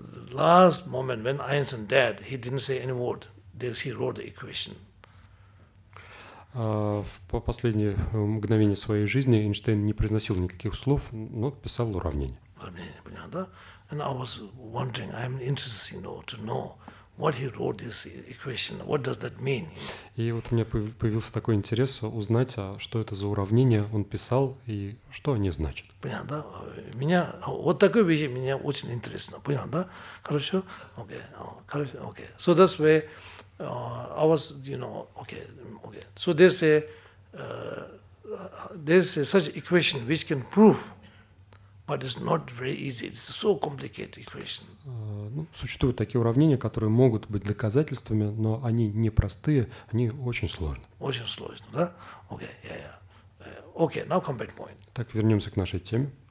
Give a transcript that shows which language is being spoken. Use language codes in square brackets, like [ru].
[en] Last moment when Einstein died, he didn't say any word. He wrote the equation. [ru] В последние мгновения своей жизни Эйнштейн не произносил никаких слов, но писал уравнения. Уравнения, понял, да? [en] And I was wondering, I'm interested, you know, to know what he wrote this equation, what does that mean? [ru] И вот у меня появился такой интерес узнать, что это за уравнение он писал и что они значат. Понятно, да? Меня вот такой вещи меня очень интересно. Понятно, да? Хорошо? [en] Okay. [ru] Хорошо. Okay. [en] So that's where I was, you know, okay. So there's a such equation which can prove, but it's not very easy. It's so complicated equation. [ru] Ну, существуют такие уравнения, которые могут быть доказательствами, но они непростые, они очень сложны. Очень сложно, да? [en] Okay, yeah, yeah. Okay, now come back point. [ru] Так, вернемся к нашей теме.